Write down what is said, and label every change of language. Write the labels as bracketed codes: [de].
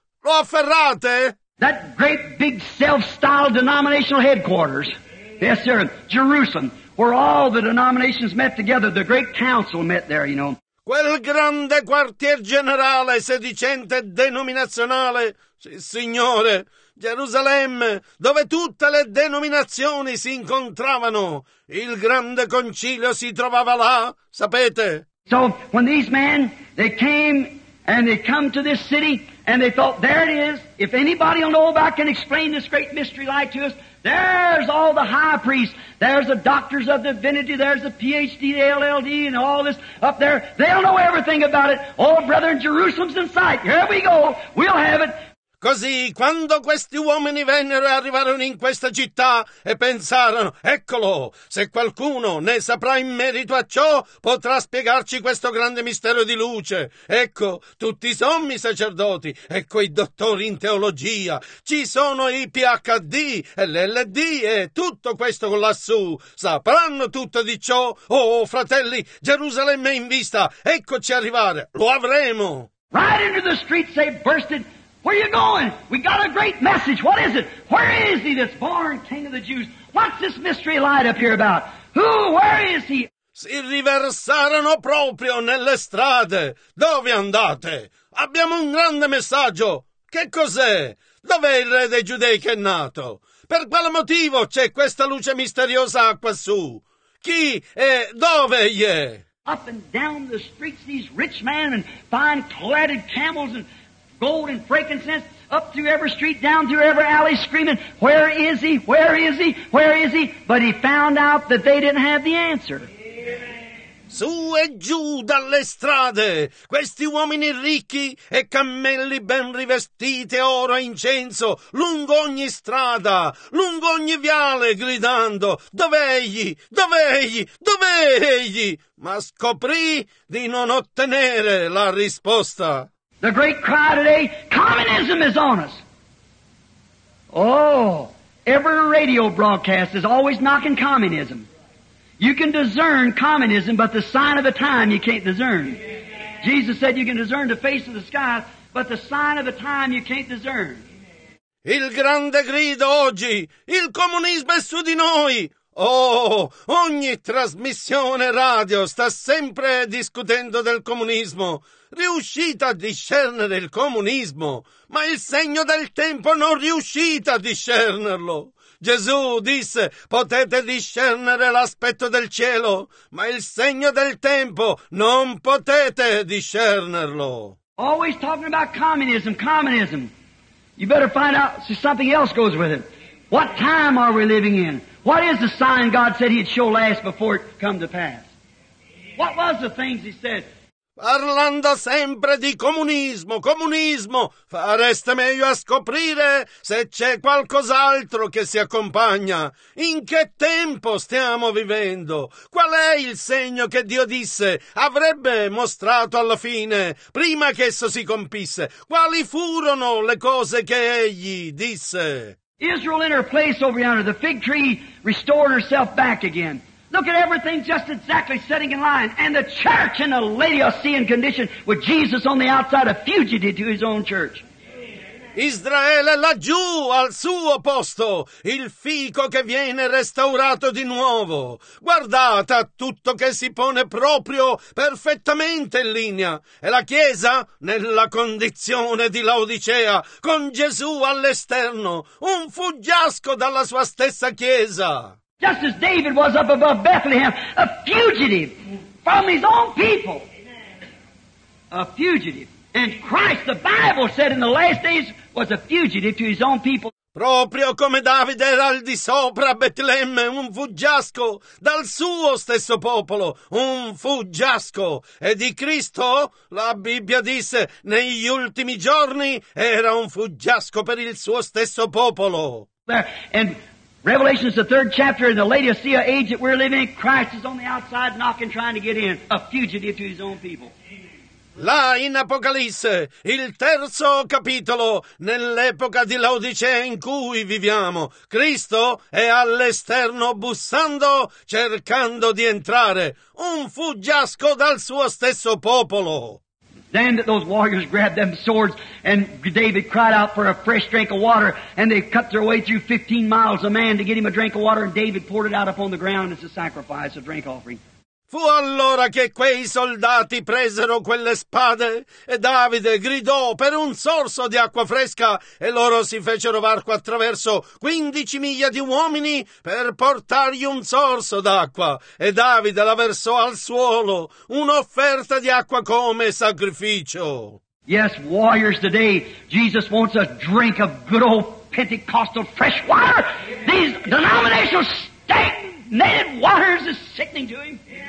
[it] Lo afferrate? [en] That great big self-styled denominational headquarters, yes sir, Jerusalem, where all the denominations met together, the great council met there, you know. [it] Quel grande quartier generale sedicente denominazionale, sì, signore, Gerusalemme, dove tutte le denominazioni si incontravano, il grande concilio si trovava là, sapete? [en] So when these men, they came and they come to this city and they thought, there it is, if anybody will know about and explain this great mystery lie to us, there's all the high priests, there's the doctors of divinity, there's the PhD, the LLD, and all this up there. They'll know everything about it. Oh, brethren, Jerusalem's in sight. Here we go. We'll have it. [it] Così, quando questi uomini vennero e arrivarono in questa città e pensarono, eccolo, se qualcuno ne saprà in merito a ciò, potrà spiegarci questo grande mistero di luce. Ecco, tutti i sommi sacerdoti, ecco i dottori in teologia, ci sono i PhD e l'LD e tutto questo lassù. Sapranno tutto di ciò? Oh, fratelli, Gerusalemme in vista, eccoci arrivare, lo avremo! [en] Right into the streets they bursted. Where are you going? We got a great message. What is it? Where is he that's born King of the Jews? What's this mystery light up here about? Who? Where is he? [it] Si riversarono proprio nelle strade. Dove andate? Abbiamo un grande messaggio. Che cos'è? Dov'è il re dei Giudei che è nato? Per quale motivo c'è questa luce misteriosa quassù? Chi e dove egli è? [en] Up and down the streets these rich men and fine cladded camels and gold and frankincense, up through every street, down through every alley, screaming, where is he? Where is he? Where is he? But he found out that they didn't have the answer. [it] Su e giù dalle strade, questi uomini ricchi e cammelli ben rivestiti, oro e incenso, lungo ogni strada, lungo ogni viale, gridando, dov'è egli? Dov'è egli? Dov'è egli? Ma scoprì di non ottenere la risposta. [en] The great cry today, communism is on us. Oh, every radio broadcast is always knocking communism. You can discern communism, but the sign of the time you can't discern. Jesus said you can discern the face of the sky, but the sign of the time you can't discern. [it] Il grande grido oggi, il comunismo è su di noi. Oh, ogni trasmissione radio sta sempre discutendo del comunismo. Riuscita a discernere il comunismo, ma il segno del tempo non riuscita a discernerlo. Gesù disse, potete discernere l'aspetto del cielo, ma il segno del tempo non potete discernerlo. [en] Always talking about communism, communism. You better find out, see something else goes with it. What time are we living in? What is the sign God said he'd show last before it come to pass? What was the things he said? [it] Parlando sempre di comunismo, comunismo, fareste meglio a scoprire se c'è qualcos'altro che si accompagna. In che tempo stiamo vivendo? Qual è il segno che Dio disse avrebbe mostrato alla fine, prima che esso si compisse? Quali furono le cose che egli disse? [en] Israel in her place over yonder, the fig tree restored herself back again. Look at everything just exactly setting in line. And the church in a Laodicean condition with Jesus on the outside, a fugitive to his own church. [it] Israele laggiù al suo posto, il fico che viene restaurato di nuovo. Guardate a tutto che si pone proprio perfettamente in linea. E la Chiesa nella condizione di Laodicea, con Gesù all'esterno, un fuggiasco dalla sua stessa Chiesa. [en] Just as David was up above Bethlehem, a fugitive from his own people. A fugitive. And Christ, the Bible said in the last days, was a fugitive to his own people. [it] Proprio come Davide era al di sopra Betlemme, un fuggiasco dal suo stesso popolo, un fuggiasco. E di Cristo, la Bibbia disse, negli ultimi giorni era un fuggiasco per il suo stesso popolo. [en] And Revelation is the third chapter in the Laodicea age that we're living in. Christ is on the outside knocking, trying to get in, a fugitive to his own people. [it] Là in Apocalisse, il terzo capitolo, nell'epoca di Laodicea in cui viviamo, Cristo è all'esterno bussando, cercando di entrare, un fuggiasco dal suo stesso popolo. [en] Then those warriors grabbed them swords, and David cried out for a fresh drink of water, and they cut their way through 15 miles a man to get him a drink of water, and David poured it out upon the ground as a sacrifice, a drink offering. [it] Fu allora che quei soldati presero quelle spade e Davide gridò per un sorso di acqua fresca e loro si fecero varco attraverso 15 miglia di uomini per portargli un sorso d'acqua e Davide la versò al suolo, un'offerta di acqua come sacrificio. [en] Yes, warriors, today Jesus wants a drink of good old Pentecostal fresh water. These denominational stagnated waters is sickening to him.